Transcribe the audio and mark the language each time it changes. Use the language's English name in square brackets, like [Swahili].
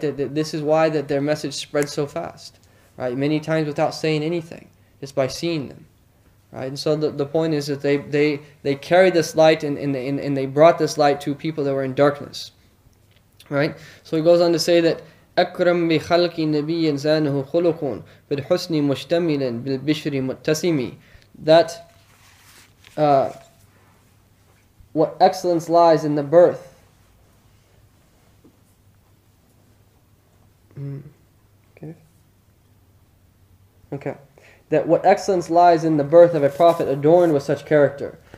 [English] That this is why that their message spread so fast, right? Many times without saying anything. It's by seeing them, right? And so the point is that they carried this light and they brought this light to people that were in darkness, right? So he goes on to say that [Arabic] أكرم بخلق نبي إنسانه خلق بالحسن مشتمل بالبشر متسم. [English] That what excellence lies in the birth. Okay. That what excellence lies in the birth of a prophet adorned with such character.